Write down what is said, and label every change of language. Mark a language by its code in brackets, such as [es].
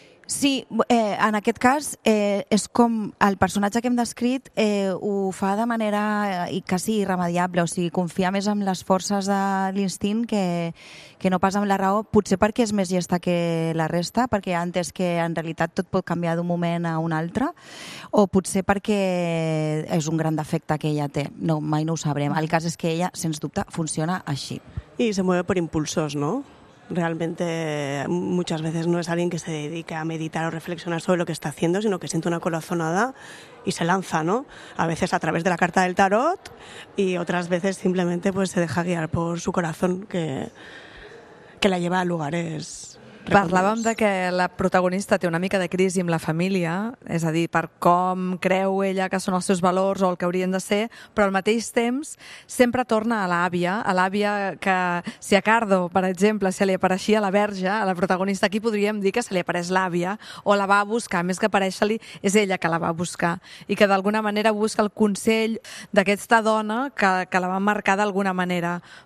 [ca] Sí, en aquest cas és com el personatge que hem descrit ho fa de manera quasi irremediable, o sigui, confia més en les forces de l'instint que no pas en la raó, potser perquè és més llesta que la resta, perquè antes que en realitat tot pot canviar d'un moment a un altre, o potser perquè és un gran defecte que ella té, no, mai no ho sabrem. El cas és que ella, sens dubte, funciona així. [es] I se mueve per impulsos, no? Realmente muchas veces no es alguien que se dedica a meditar o reflexionar sobre lo que está haciendo, sino que siente una corazonada y se lanza, ¿no? A veces a través de la carta del tarot y otras veces simplemente pues se deja guiar por su corazón que la lleva a lugares. [ca] Parlàvem de que la protagonista té una mica de crisi amb la família, és a dir, per com creu ella que són els seus valors o el que haurien de ser, però al mateix temps sempre torna a l'àvia que, si a Cardo, per exemple, se li apareixia la verge, a la protagonista aquí podríem dir que se li apareix l'àvia o la va a buscar, més que apareixer-li, és ella que la va a buscar i que d'alguna manera busca el consell d'aquesta dona que la va marcar d'alguna manera.